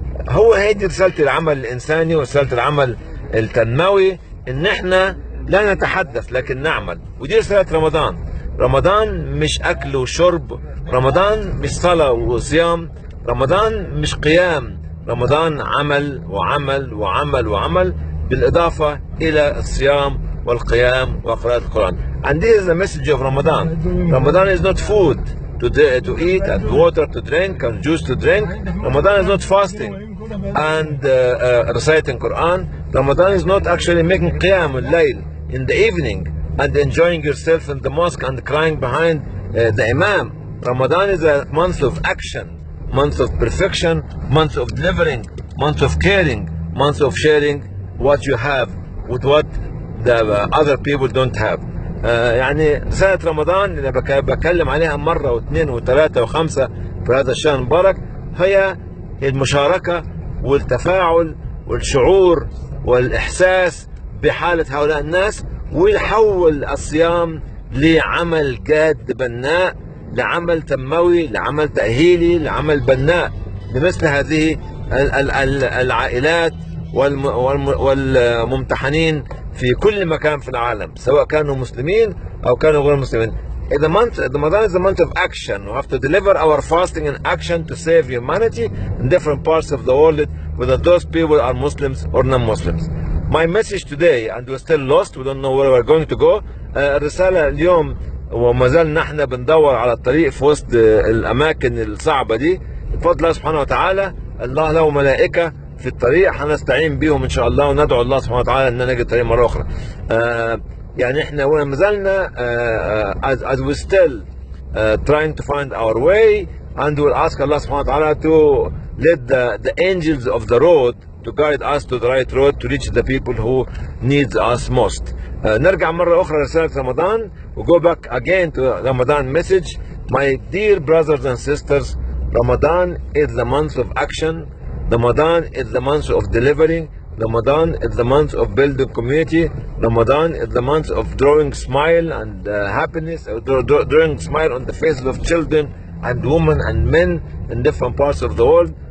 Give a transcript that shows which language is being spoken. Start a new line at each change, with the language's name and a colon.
English: هو هيدي رسالة العمل الإنساني ورسالة العمل التنموي، إن إحنا لا نتحدث لكن نعمل. ودي رسالة رمضان. رمضان مش أكل وشرب، رمضان مش صلاة وصيام، رمضان مش قيام، رمضان عمل وعمل وعمل وعمل، بالإضافة إلى الصيام والقيام وقراءة القرآن. And this is the message of Ramadan. Ramadan is not food to eat and water to drink and juice to drink. Ramadan is not fasting and reciting Quran. Ramadan is not actually making qiyam al-layl in the evening and enjoying yourself in the mosque and crying behind the imam. Ramadan is a month of action, month of perfection, month of delivering, month of caring, month of sharing what you have with what the other people don't have.
Arabic: يعني رسالة رمضان اللي بكلم عليها مرة واثنين وثلاثة وخمسة في هذا الشهر المبارك هي المشاركة والتفاعل والشعور والإحساس بحالة هؤلاء الناس، ويحول الصيام لعمل جاد بناء، لعمل تموي، لعمل تأهيلي، لعمل بناء لمثل هذه العائلات والممتحنين في كل مكان في العالم، سواء كانوا مسلمين أو كانوا غير مسلمين.
English: The month, Ramadan is the month of action. We have to deliver our fasting and action to save humanity in different parts of the world, whether those people are Muslims or non-Muslims. My message today, and we're still lost, we don't know where we're going to go.
Arabic: الرسالة اليوم وما زلنا احنا بندور على الطريق في وسط الاماكن الصعبه دي. بفضل الله سبحانه وتعالى، الله له ملائكه في الطريق هنستعين بيهم ان شاء الله، وندعو الله سبحانه وتعالى ان نجد الطريق مره اخرى. يعني احنا وما زلنا
English: as we still trying to find our way and we'll ask Allah سبحانه وتعالى to let the angels of the road to guide us to the right road to reach the people who needs us most.
Arabic: نرجع مرة أخرى لرسالة رمضان.
English: We'll go back again to Ramadan message. My dear brothers and sisters, Ramadan is the month of action. Ramadan is the month of delivering. Ramadan is the month of building community. Ramadan is the month of drawing smile and happiness, drawing smile on the faces of children and women and men in different parts of the world.